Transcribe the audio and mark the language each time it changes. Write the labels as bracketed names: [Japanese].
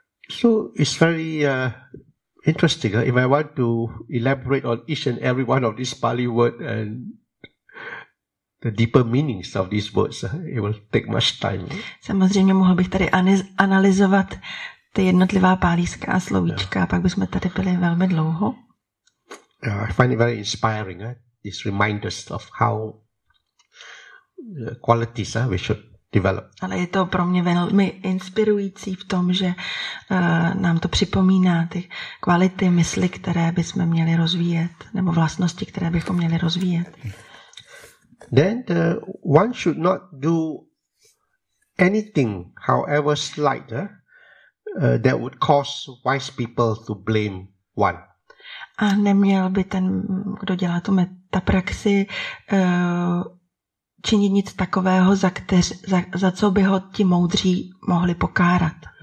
[English] So it's very interesting. If I want to elaborate on each and every one of these Pali word and the deeper meanings of these words, it will take much time. [Czech] Samozřejmě mohl bych tady analyzovat ty jednotlivá pálíská slovíčka, pak bychom tady byli velmi dlouho. [English] I find it very inspiring. This reminds us of how qualities we should develop. [Czech] Ale je to pro mě velmi inspirující v tom, že nám to připomíná ty kvality mysli, které bychom měli rozvíjet, nebo vlastnosti, které bychom měli rozvíjet. [English] Then one should not do anything, however slight, that would cause wise people to blame one. [Czech] A neměl by ten, kdo dělá tu metapraxi, činit nic takového, za co by ho ti moudří mohli pokárat.